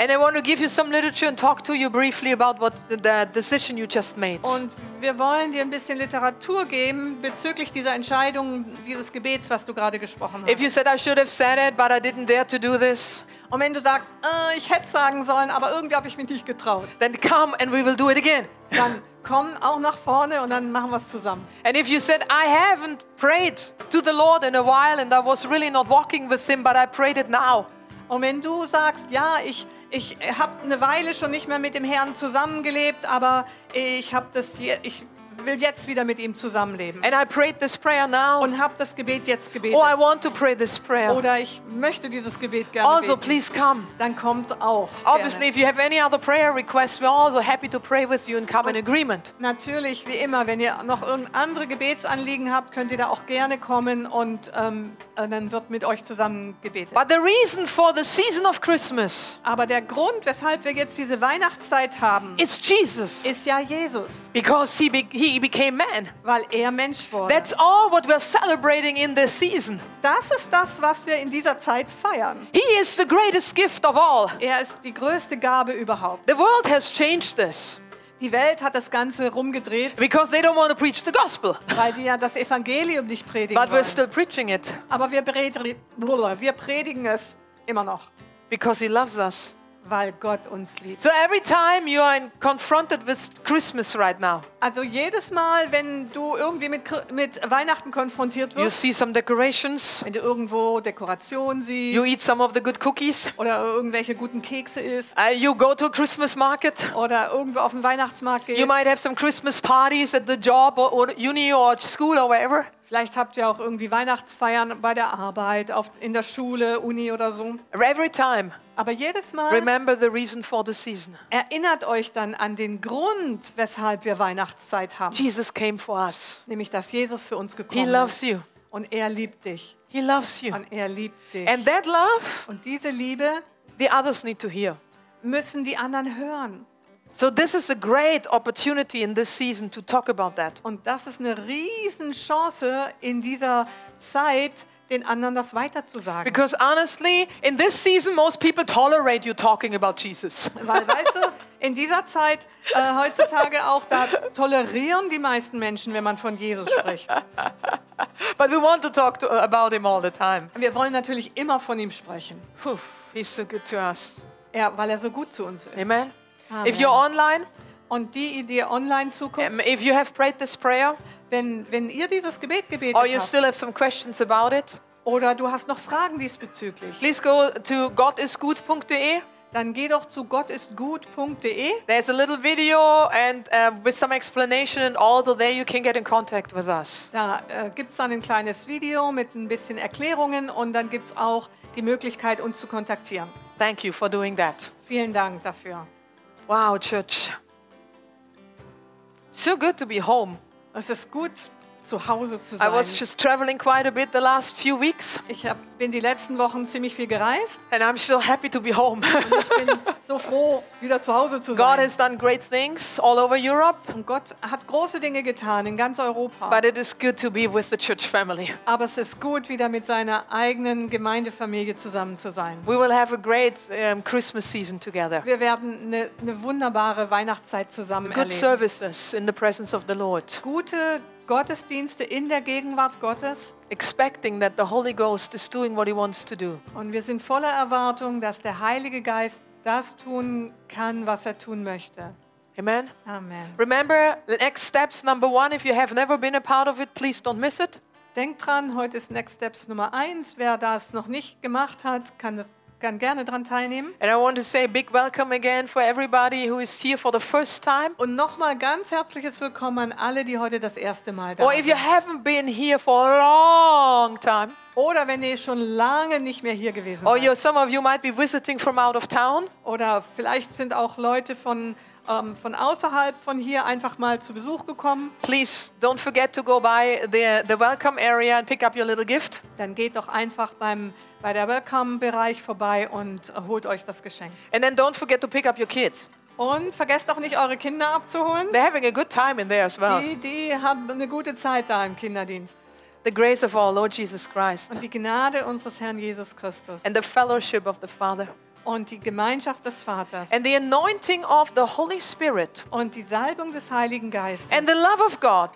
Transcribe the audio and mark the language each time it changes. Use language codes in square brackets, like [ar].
[en] And I want to give you some literature and talk to you briefly about what the decision you just made. [de] Und wir wollen dir ein bisschen Literatur geben bezüglich dieser Entscheidung, dieses Gebets, was du gerade gesprochen hast. [en] If you said I should have said it, but I didn't dare to do this. [de] Und wenn du sagst, ich hätte sagen sollen, aber irgendwie habe ich mich nicht getraut. [en] Then come and we will do it again. [de] Dann komm auch nach vorne und dann machen wir es zusammen. [en] And if you said, I haven't prayed to the Lord in a while and I was really not walking with him, but I prayed it now. [de] Und wenn du sagst, ja, ich habe eine Weile schon nicht mehr mit dem Herrn zusammengelebt, aber ich habe das hier, ich will jetzt wieder mit ihm zusammenleben. [en] And I prayed this prayer now. [de] Und habe das Gebet jetzt gebetet. [en] Oh, I want to pray this prayer. [de] Oder ich möchte dieses Gebet gerne also, beten. [en] Please come. [de] Dann kommt auch. [en] Obviously, If you have any other prayer requests, we're also happy to pray with you and come und in agreement. [de] Natürlich, wie immer, wenn ihr noch irgendein andere Gebetsanliegen habt, könnt ihr da auch gerne kommen und dann wird mit euch zusammen gebetet. [en] But the reason for the season of Christmas. [de] Aber der Grund, weshalb wir jetzt diese Weihnachtszeit haben, ist Jesus. Ist ja Jesus. [en] Because he became man. [de] Weil er Mensch wurde. [en] That's all what we're celebrating in this season. [de] Das ist das, was wir in dieser Zeit feiern. [en] He is the greatest gift of all. [de] Er ist die größte Gabe überhaupt. [en] The world has changed this. [de] Die Welt hat das Ganze rumgedreht. [en] Because they don't want to preach the gospel. [de] Weil die ja das Evangelium nicht predigen. [en] But [de] wollen. [en] We're still preaching it. [de] Aber wir predigen es immer noch. [en] Because he loves us. [de] Weil Gott uns liebt. [en] So every time you are confronted with Christmas right now. [de] Also jedes Mal, wenn du irgendwie mit Weihnachten konfrontiert wirst. [en] You see some decorations. [de] Wenn du irgendwo Dekorationen siehst. [en] You eat some of the good cookies. [de] Oder irgendwelche guten Kekse isst. [en] You go to a Christmas market. [de] Oder irgendwo auf den Weihnachtsmarkt gehst. [en] You might have some Christmas parties at the job or uni or school or wherever. [de] Vielleicht habt ihr auch irgendwie Weihnachtsfeiern bei der Arbeit, in der Schule, Uni oder so. [en] Every time. [de] Aber jedes Mal. [en] Remember the reason for the season. [de] Erinnert euch dann an den Grund, weshalb wir Weihnachtszeit haben. [en] Jesus came for us. [de] Nämlich, dass Jesus für uns gekommen ist. [en] He loves you. [de] Und er liebt dich. [en] He loves you. [de] Und er liebt dich. [en] And that love. [de] Und diese Liebe. [en] The others need to hear. [de] Müssen die anderen hören. [en] So this is a great opportunity in this season to talk about that. [de] Und das ist eine riesen Chance in dieser Zeit, den anderen das weiterzusagen. [en] Because honestly, in this season most people tolerate you talking about Jesus. [de] Weil weißt du, in dieser Zeit heutzutage auch da tolerieren die meisten Menschen, wenn man von Jesus spricht. [en] But we want to talk about him all the time. [de] Wir wollen natürlich immer von ihm sprechen. [en] Puh, he's so good to us. [de] Ja, weil er so gut zu uns ist. [en] Amen. Amen. If you're online, [de] und die Idee online zukommt. [en] If you have prayed this prayer, [de] wenn ihr dieses Gebet gebetet [en] or you [de] habt, [en] still have some questions about it, [de] oder du hast noch Fragen diesbezüglich, [en] please go to gottisgut.de. [de] Dann geh doch zu gottisgut.de. [en] There's a little video and with some explanation, and also there you can get in contact with us. [de] Da gibt's dann ein kleines Video mit ein bisschen Erklärungen und dann gibt's auch die Möglichkeit, uns zu kontaktieren. [en] Thank you for doing that. [de] Vielen Dank dafür. [en] Wow, Church. So good to be home. [de] Es ist gut, zu Hause zu sein. [en] I was just traveling quite a bit the last few weeks. [de] Bin die letzten Wochen ziemlich viel gereist. [en] And I'm so happy to be home. [de] Und ich bin so froh, wieder zu Hause zu sein. [en] God has done great things all over Europe. [de] Und Gott hat große Dinge getan in ganz Europa. [en] But it is good to be with the church family. [de] Aber es ist gut, wieder mit seiner eigenen Gemeindefamilie zusammen zu sein. [en] We will have a great Christmas season together. [de] Wir werden eine wunderbare Weihnachtszeit zusammen [en] good [de] erleben. [en] Good services in the presence of the Lord. [de] Gute Gottesdienste in der Gegenwart Gottes. [en] Expecting that the Holy Ghost is doing what he wants to do. [de] Und wir sind voller Erwartung, dass der Heilige Geist das tun kann, was er tun möchte. [en] Amen. [de] Amen. [en] Remember, next steps number one, if you have never been a part of it, please don't miss it. [de] Denk dran, heute ist Next Steps Nummer 1. Wer das noch nicht gemacht hat, kann gerne dran teilnehmen. [en] And I want to say a big welcome again for everybody who is here for the first time. [de] Und nochmal ganz herzliches Willkommen an alle, die heute das erste Mal da [en] sind. Or if you haven't been here for a long time. [de] Oder wenn ihr schon lange nicht mehr hier gewesen [en] or [de] seid. [en] Or some of you might be visiting from out of town. [de] Oder vielleicht sind auch Leute von außerhalb von hier einfach mal zu Besuch gekommen. [en] Please don't forget to go by the welcome area and pick up your little gift. [de] Dann geht doch einfach bei der Welcome-Bereich vorbei und holt euch das Geschenk. [en] And then don't forget to pick up your kids. [de] Und vergesst auch nicht, eure Kinder abzuholen. [en] They're having a good time in there as well. [de] Die haben eine gute Zeit da im Kinderdienst. [en] The grace of our Lord Jesus Christ. [de] Und die Gnade unseres Herrn Jesus Christus. [en] And the fellowship of the Father. [de] Und die Gemeinschaft des Vaters. [en] And the anointing of the Holy Spirit. [de] Und die Salbung des Heiligen Geistes. [en] And the love of God.